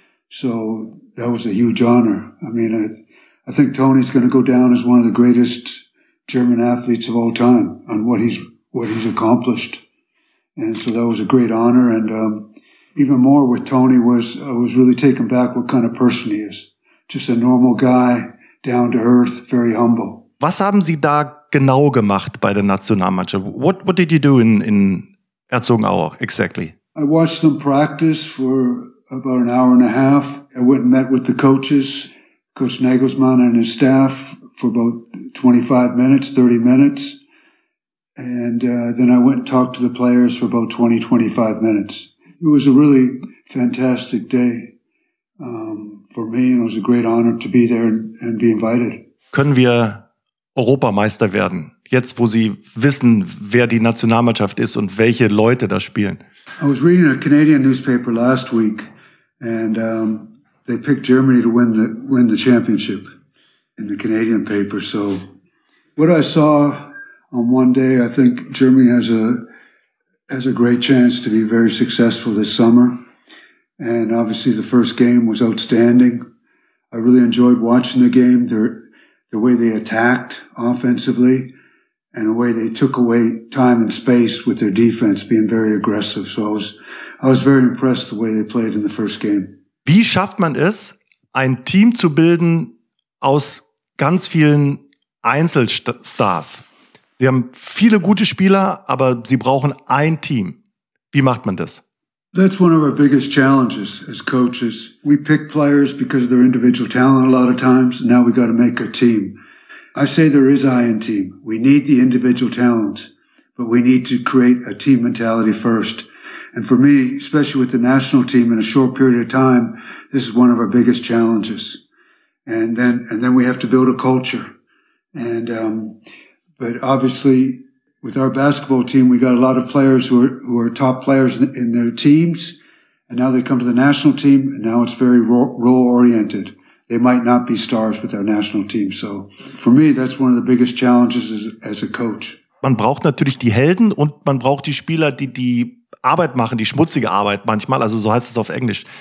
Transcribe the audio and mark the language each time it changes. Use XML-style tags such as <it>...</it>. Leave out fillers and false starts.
<en>So that was a huge honor. I mean, I think Tony's going to go down as one of the greatest German athletes of all time on what he's accomplished. And so that was a great honor. And even more with Tony was I was really taken back what kind of person he is. Just a normal guy, down to earth, very humble.</en> <de>Was haben Sie da genau gemacht bei der Nationalmannschaft?</de> <en>What did you do in Herzogenaurach exactly? I watched them practice for about an hour and a half. I went and met with the coaches, Coach Nagelsmann and his staff, for about 25 minutes, 30 minutes. And then I went and talked to the players for about 20, 25 minutes. It was a really fantastic day for me, and it was a great honor to be there and be invited.</en> <de>Können wir Europameister werden, jetzt wo Sie wissen, wer die Nationalmannschaft ist und welche Leute da spielen?</de> <en>I was reading a Canadian newspaper last week, and they picked Germany to win the championship in the Canadian paper. So what I saw on one day, I think Germany has a great chance to be very successful this summer. And obviously the first game was outstanding. I really enjoyed watching the game, the way they attacked offensively and the way they took away time and space with their defense being very aggressive. So I was very impressed the way they played in the first game.</en> <de>Wie schafft man es, ein Team zu bilden aus ganz vielen Einzelstars? Sie haben viele gute Spieler, aber sie brauchen ein Team. Wie macht man das?</de> <en>That's one of our biggest challenges as coaches. We pick players because of their individual talent a lot of times. Now we got to make a team. I say there is I in team. We need the individual talent, but we need to create a team mentality first. And for me, especially with the national team in a short period of time, this is one of our biggest challenges. And then we have to build a culture. But obviously, with our basketball team, we got a lot of players who are top players in their teams, and now they come to the national team, and now it's very role-oriented. They might not be stars with our national team. So for me, that's one of the biggest challenges as a coach.</en> <de>Man braucht natürlich die Helden und man braucht die Spieler, die die Arbeit machen, die schmutzige Arbeit manchmal, also so heißt es auf Englisch.</de>